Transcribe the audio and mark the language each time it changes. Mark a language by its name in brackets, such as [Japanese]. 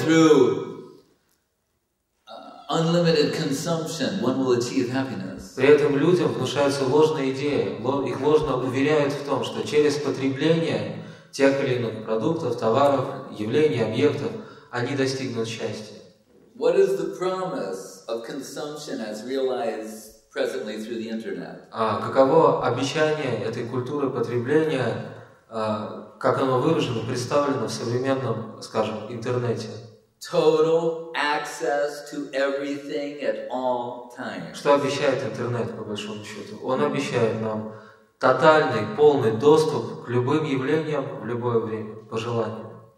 [English] through unlimited consumption, one will achieve happiness. [Russian] При этом людям внушается ложная идея, их ложно уверяют в том, что через потребление тех или иных продуктов, товаров, явлений, объектов они достигнут счастья. [English] What is the promise of consumption as realized presently through the internet? [Russian] Каково обещание этой культуры потребления, как оно выражено, представлено в современном, скажем, интернете? [English] Total access to everything at all times. [Russian] Что обещает интернет, по большому счету? Он обещает нам тотальный, полный доступ к любым явлениям в любое время, по желанию.